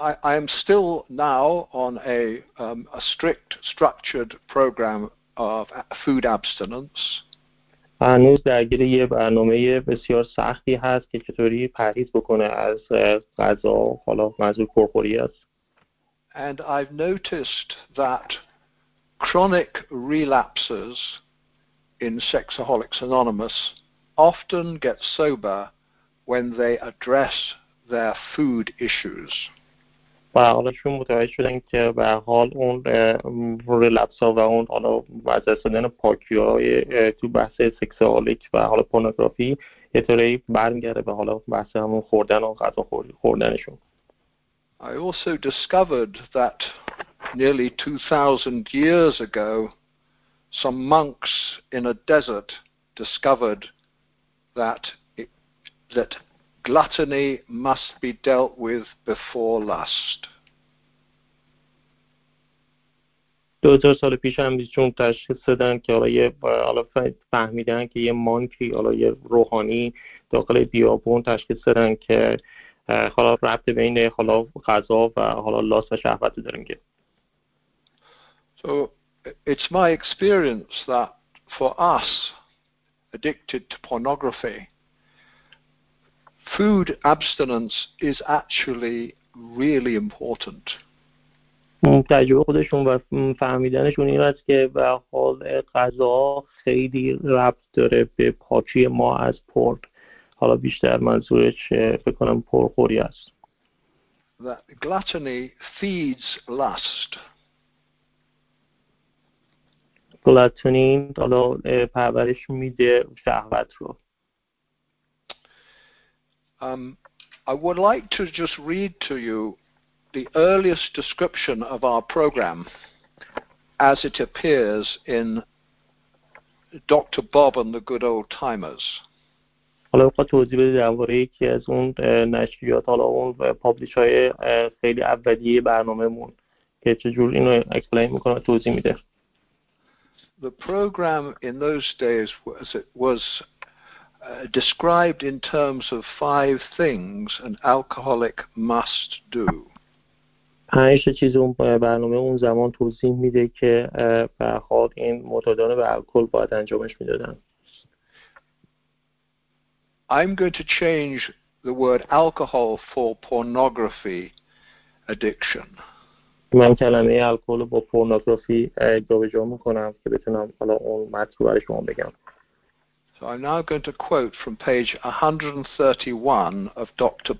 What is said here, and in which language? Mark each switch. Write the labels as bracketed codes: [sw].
[en] I am still now on a strict structured program of food abstinence. [fa] هنوز درگیر یه برنامه بسیار سختی هست که چطوری پرهیز بکنه از غذا و حالا منظور پرخوری است. [en] And I've noticed that chronic relapses in Sexaholics Anonymous often get sober when they address their food issues. [fa] و حالا شما متوجه شدن که به حال اون ریلپس ها و اون حالا از دست دادن پاکی های تو بحث سکسوالیک و حالا پورنوگرافی یه طوری برمیگرده به حالا بحث همون خوردن و غذا خوردنشون. [en] I also discovered that nearly 2,000 years ago some monks in a desert discovered that gluttony must be dealt with before lust. [fa] 2000 سال پیش هم چون تشخیص دادن که حالا یه حالا فهمیدن که یه مانکی حالا یه روحانی داخل بیابون تشخیص دادن که حالا ربط بین حالا غذا و حالا لاست و شهوت دارن که. [en] So it's my experience that for us addicted to pornography, food abstinence is actually really important. [fa] تجربه خودشون و فهمیدنشون این است که به حال غذا خیلی ربط داره به پاکی ما از پر. حالا بیشتر منظورش فکر کنم پرخوری است. [en] That gluttony feeds lust. [fa] Gluttony حالا پرورش میده شهوت رو. [en] I would like to just read to you the earliest description of our program as it appears in Dr. Bob and the Good Old Timers. [fa] حالا بخواد توضیح بده درباره یکی از اون نشریات، حالا اون پابلیش های خیلی اولیه برنامه مون، که چجور اینو اکسپلین میکنه و توضیح میده. [en] The program in those days was described in terms of five things an alcoholic must do. [fa] پنج چیز اون برنامه اون زمان توضیح میده که به خاطر این معتادان به الکل باید انجامش میدادن. [en] I'm going to change the word alcohol for pornography addiction. [fa] من کلمه الکل با پورنوگرافی جابجا میکنم که بتونم حالا اون مطلب برای شما بگم. [en] So I'm now going to quote from page 131 of Dr.